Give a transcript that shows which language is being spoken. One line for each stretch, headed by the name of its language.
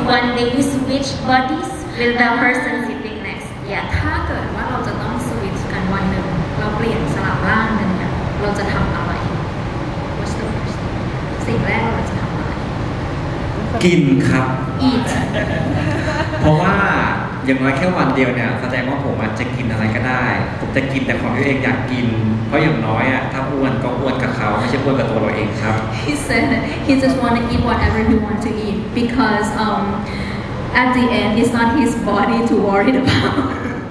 English: one day you switch bodies with the person sitting next
Thai: yeah ถ้าเกิดว่าเราจะต้องสวิตช์กันวันหนึ่งเราเปลี่ยนสลับร่างกันเนี่ยเราจะทำอะไร
English: What's the first thing
Thai: สิ่งแรกเราจะทำอะไร กินครับ
English: eat
Thai: เพราะว่าอย่างน้อยแค่วันเดียวเนี่ยแสดงว่าผมอาจจะกินอะไรก็ได้ผมจะกินแต่ของที่เองอยากกินเพราะอย่างน้อยอ่ะถ้าอ้วนก็อ้วนกับเขาไม่ใช่อ้วนกับตัวเราเองครับ
English: He said he just want to eat whatever he want to eat because at the end it's not his body to worry about